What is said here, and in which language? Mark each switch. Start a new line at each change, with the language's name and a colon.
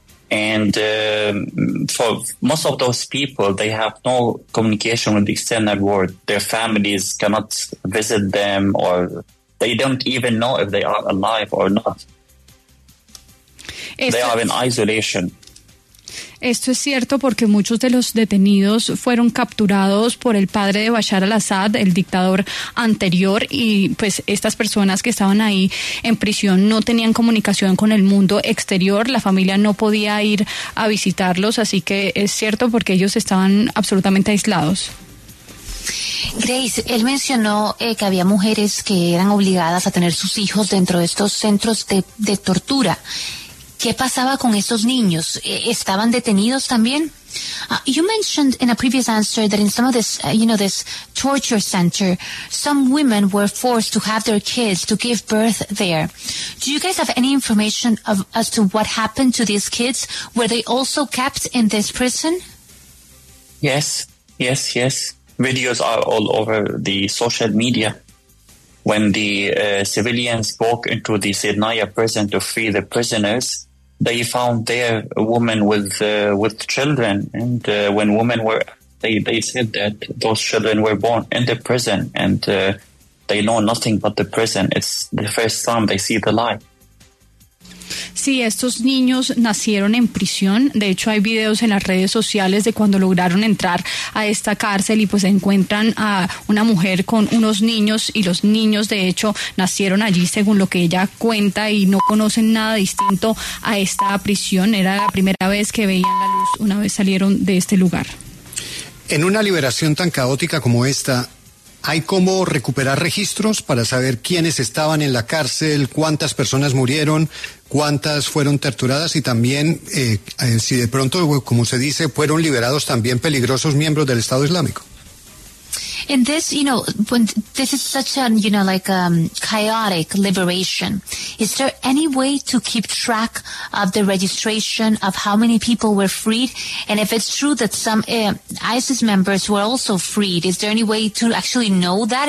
English: And for most of those people, they have no communication with the external world. Their families cannot visit them, or they don't even know if they are alive or not. They are in isolation.
Spanish: Esto es cierto porque muchos de los detenidos fueron capturados por el padre de Bashar al-Assad, el dictador anterior, y pues estas personas que estaban ahí en prisión no tenían comunicación con el mundo exterior, la familia no podía ir a visitarlos, así que es cierto porque ellos estaban absolutamente aislados. Grace, él mencionó que había mujeres que eran obligadas a tener sus hijos dentro de estos centros de tortura. ¿Qué pasaba con esos niños? ¿Estaban detenidos también?
English: You mentioned in a previous answer that in some of this, you know, this torture center, some women were forced to have their kids to give birth there. Do you guys have any information of, as to what happened to these kids? Were they also kept in this prison? Yes. Videos are all over the social media. When the civilians broke into the Sednaya prison to free the prisoners, they found there a woman with children. And when women were, they said that those children were born in the prison and they know nothing but the prison. It's the first time they see the light.
Spanish: Sí, estos niños nacieron en prisión. De hecho, hay videos en las redes sociales de cuando lograron entrar a esta cárcel y pues encuentran a una mujer con unos niños y los niños, de hecho, nacieron allí según lo que ella cuenta y no conocen nada distinto a esta prisión. Era la primera vez que veían la luz una vez salieron de este lugar. En una liberación tan caótica como esta, ¿hay cómo recuperar registros para saber quiénes estaban en la cárcel, cuántas personas murieron, cuántas fueron torturadas y también si de pronto, como se dice, fueron liberados también peligrosos miembros del Estado Islámico?
English: In this, you know, when this is such a, you know, like a chaotic liberation, is there any way to keep track of the registration of how many people were freed? And if it's true that some ISIS members were also freed, is there any way to actually know that?